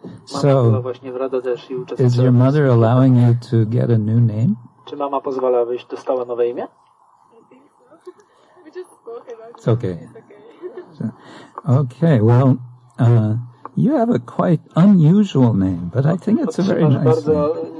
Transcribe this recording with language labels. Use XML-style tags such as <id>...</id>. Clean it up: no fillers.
<en>So, is your mother allowing you to get a new name?</en> <pl>Czy mama pozwala, abyś dostała nowe imię?</pl> <en>It's okay. Okay, well, you have a quite unusual name, but I think it's a very nice name.</en>